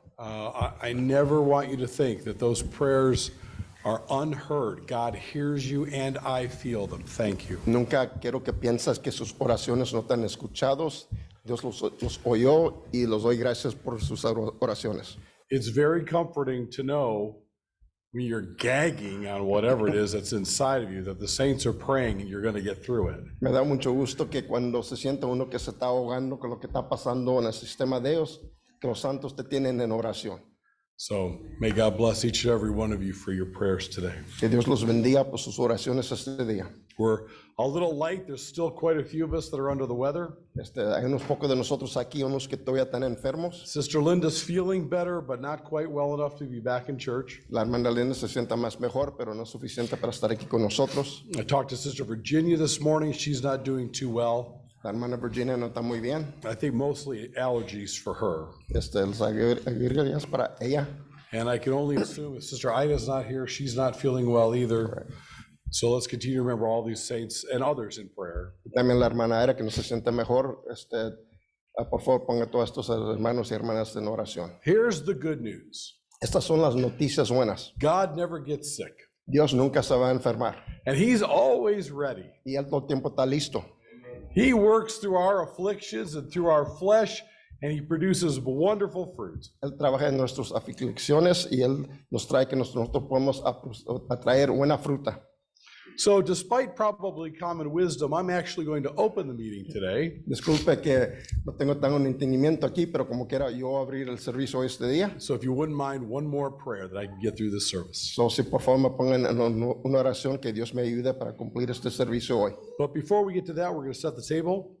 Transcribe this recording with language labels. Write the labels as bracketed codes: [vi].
[en] I never want you to think that those prayers are unheard. God hears you and I feel them. Thank you. [es] Nunca quiero que pienses que sus oraciones no están escuchados. Dios los oyó y los doy gracias por sus oraciones. [en] It's very comforting to know when you're gagging on whatever it is that's inside of you that the saints are praying and you're going to get through it. [es] Me da mucho gusto que cuando se siente uno que se está ahogando con lo que está pasando en el sistema de Dios, que los santos te tienen en oración. [en] So may God bless each and every one of you for your prayers today. [es] Que Dios los bendiga por sus oraciones este día. [en] We're a little light. There's still quite a few of us that are under the weather. [es] Hay unos pocos de nosotros aquí, unos que todavía están enfermos. [en] Sister Linda's feeling better, but not quite well enough to be back in church. [es] La hermana Linda se sienta más mejor, pero no suficiente para estar aquí con nosotros. [en] I talked to Sister Virginia this morning. She's not doing too well. [es] La hermana Virginia no está muy bien. [en] I think mostly allergies for her. [es] Las alergias para ella. [en] And I can only assume if Sister Ida's not here, she's not feeling well either. Right. So let's continue to remember all these saints and others in prayer. [es] También la hermana Ida que no se siente mejor, por favor ponga todos estos hermanos y hermanas en oración. [en] Here's the good news. [es] Estas son las noticias buenas. [en] God never gets sick. [es] Dios nunca se va a enfermar. [en] And He's always ready. [es] Y él todo el tiempo está listo. [en] He works through our afflictions and through our flesh, and He produces wonderful fruit. [es] Él trabaja en nuestras aflicciones y él nos trae que nosotros podemos atraer buena fruta. [en] So, despite probably common wisdom, I'm actually going to open the meeting today. [es] Disculpe que no tengo tan un entendimiento aquí, pero como quiera yo abrir el servicio este día. [en] So, if you wouldn't mind, one more prayer that I can get through this service. [es] So, si por favor me pongan una oración que Dios me ayude para cumplir este servicio hoy. [en] But before we get to that, we're going to set the table.